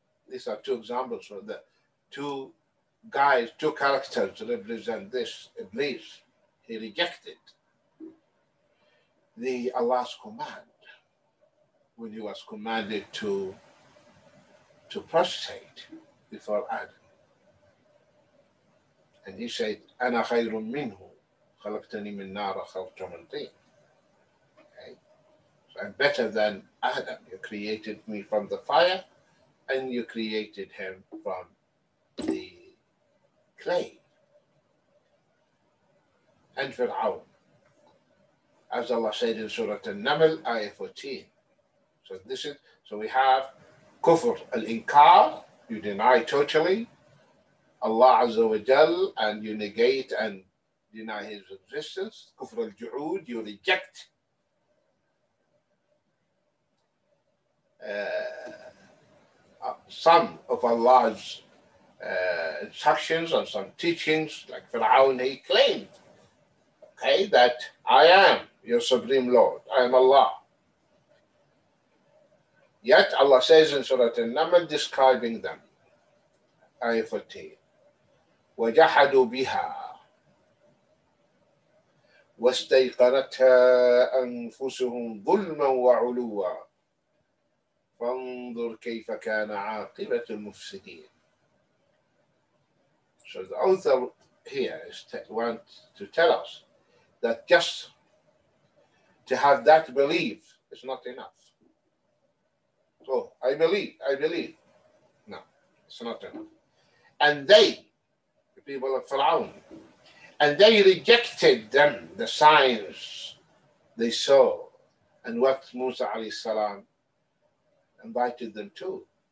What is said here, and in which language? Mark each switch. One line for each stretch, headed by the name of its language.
English: These are two examples for the two guys, two characters represent this. Iblis, he rejected the Allah's command when he was commanded to prostrate before Adam. And he said,
Arabic: أَنَا خَيْرٌ مِّنْهُ خَلَقْتَنِي مِنْ نَارَ خَلْقْتَ مِنْ تِينَ.
English: Okay. So I'm better than Adam. You created me from the fire and you created him from the clay. And Fir'aun, as Allah said in Surah An-Naml, ayah 14. So this is, so we have kufr al-inkar, you deny totally Allah Azza wa Jal and you negate and deny his existence. Kufr al-ju'ud, you reject some of Allah's instructions or some teachings, like Fir'aun, he claimed, okay, that I am your supreme Lord, I am Allah. Yet Allah says in Surah An-Naml, describing them, Ayah 14,
Arabic: وَجَحَدُوا بِهَا وَاسْتَيْقَنَتْهَا أَنفُسُهُمْ ظُلْمًا وَعُلُوًّا فَانْظُرْ كَيْفَ كَانَ عَاقِبَةُ الْمُفْسِدِينَ.
English: So the author here is wants to tell us that just to have that belief is not enough. So, I believe. No, it's not enough. And they, the people of Pharaoh, and they rejected them, the signs they saw, and what Musa alayhi salam invited them to.